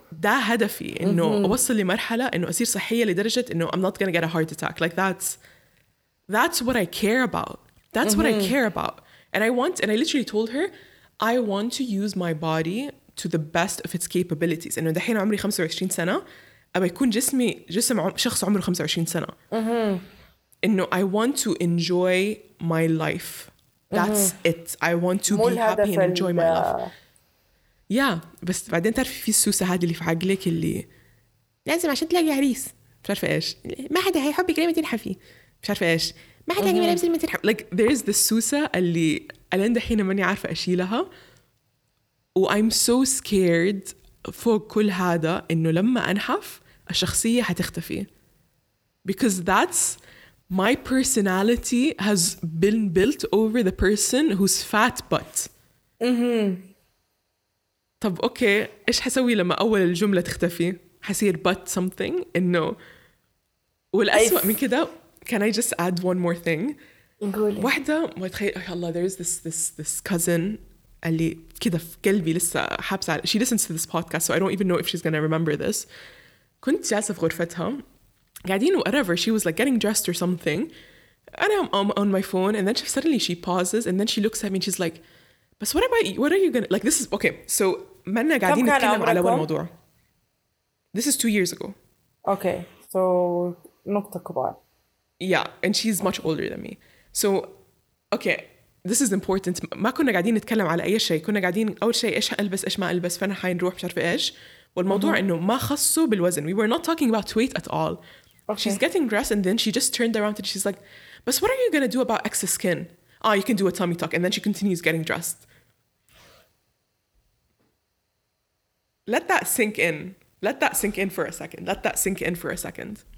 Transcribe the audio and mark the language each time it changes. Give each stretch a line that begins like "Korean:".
Arabic: ده هدفي إنه أوصل لمرحلة إنه أصير صحية لدرجة إنه
English: I'm not going to get a heart attack. Like that's what I care about. That's what I care about. And I literally told her, I want to use my body to the best of its capabilities.
Arabic: إنه دحين عمري 25 سنة أبي يكون جسمي جسم شخص عمره 25 سنة. إنه
English: I want to enjoy my life. That's it. I want to be happy and enjoy my life. Yeah.
Arabic: بس بعدين تعرفي في السوسة هذه اللي في عقلك اللي لازم عشان تلاقي عريس. بتعرفي إيش؟ ما حدا هيحبك لما تنحفي. مش عارفة إيش؟ ما حدا هيجي ملابس لما تنحفي.
English: Like there is the
Arabic: سوسة اللي الان دحين ماني عارفة أشيلها و
English: I'm so scared
Arabic: فوق كل هذا إنه لما أنحف الشخصية هتختفي
English: because that's my personality has been built over the person who's fat butt. Mm-hmm.
Arabic: طب اوكي ايش حسوي لما اول الجمله تختفي؟ حصير butt something انه والأسوأ من كده.
English: Can I just add one more thing?
Arabic: قولي. واحدة ما تخيل
English: oh
Arabic: الله
English: there is this cousin
Arabic: اللي كده في قلبي لسه حابسة على...
English: She listens to this podcast so I don't even know if she's gonna remember this. كنت جالسة في غرفتها قاعدين whatever she was like getting dressed or something and I'm on my phone and then she, suddenly she pauses and then she looks at me and she's like
Arabic: بس
English: what am I what are you gonna like this is okay so
Arabic: منا قاعدين نتكلم على الموضوع.
English: This is 2 years ago. Okay. So
Arabic: نقطة كبار.
English: Yeah, and she's much older than me. So okay, this is important.
Arabic: ما كنا قاعدين نتكلم على أي شيء. كنا قاعدين أول شيء إيش ألبس إيش ما ألبس فأنا حين نروح مش عارفة إيش. والموضوع إنه ما خصه بالوزن.
English: We were not talking about weight at all. Okay. She's getting dressed and then she just turned around and she's like, "But what are you gonna do about excess skin? Oh, you can do a tummy tuck." And then she continues getting dressed. Let that sink in. Let that sink in for a second. Let that sink in for a second.